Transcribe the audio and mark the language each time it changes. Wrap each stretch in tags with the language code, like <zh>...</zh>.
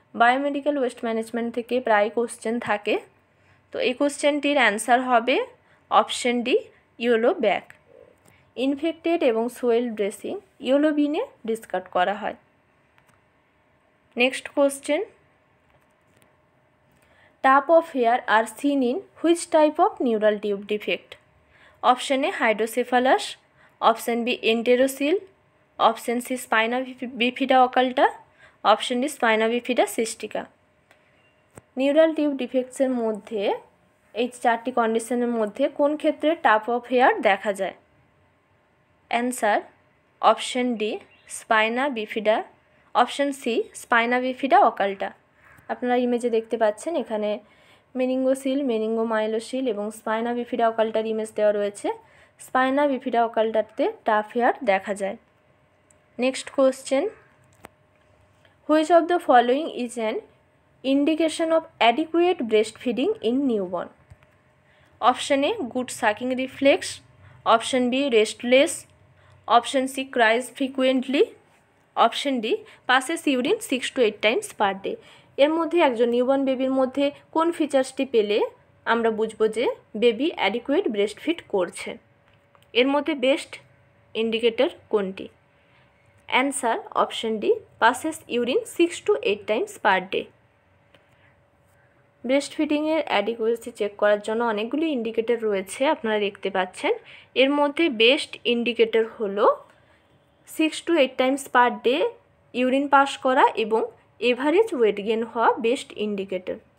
<bn>Biomedical waste management থেকে প্রায় question থাকে, তো এই কোশ্চেনটির অ্যান্সার হবে option D yellow bag. Infected এবং সোয়েল ড্রেসিং ইয়েলো বিনে ডিসকার্ড করা হয়। Next question,</bn> <en>tap of hair are seen in which type of neural tube defect? Option A, hydrocephalus. Option B, enterocele. Option C, spina bifida occulta. Option D, spina bifida cystica.</en> <bn>Neural tube defects এর মধ্যে এই চারটি কন্ডিশনের মধ্যে কোন ক্ষেত্রে tap of hair দেখা যায়?</bn> <en>Answer, option D, spina bifida. Option C, spina bifida occulta.</en> <bn>আপনারা ইমেজে দেখতে পাচ্ছেন এখানে meningocele, meningomyelocele এবং spina bifida occulta এর ইমেজ দেওয়া রয়েছে। Spina bifida occulta তে tap hair দেখা যায়।</bn> <en>Next question, which of the following is an indication of adequate breastfeeding in newborn? Option A, good sucking reflex. Option B, restless. Option C, cries frequently. Option D, passes urine 6 to 8 times per day.</en> <bn>এর মধ্যে একজন newborn baby মধ্যে কোন ফিচারসটি পেলে আমরা বুঝব যে baby adequate breastfeed করছে? এর মধ্যে বেস্ট ইন্ডিকেটর কোনটি?</bn> <en>Answer, option D, passes urine 6 to 8 times per day.</en> <bn>Breastfeeding এর অ্যাডিকুয়েসি চেক করার জন্য অনেকগুলি ইন্ডিকেটর রয়েছে, আপনারা দেখতে পাচ্ছেন। এর মধ্যে বেস্ট ইন্ডিকেটর হলো 6 two 8 Times per day urine pass করা এবং এভারেজ ওয়েট গেইন হওয়া বেস্ট ইন্ডিকেটর।</bn>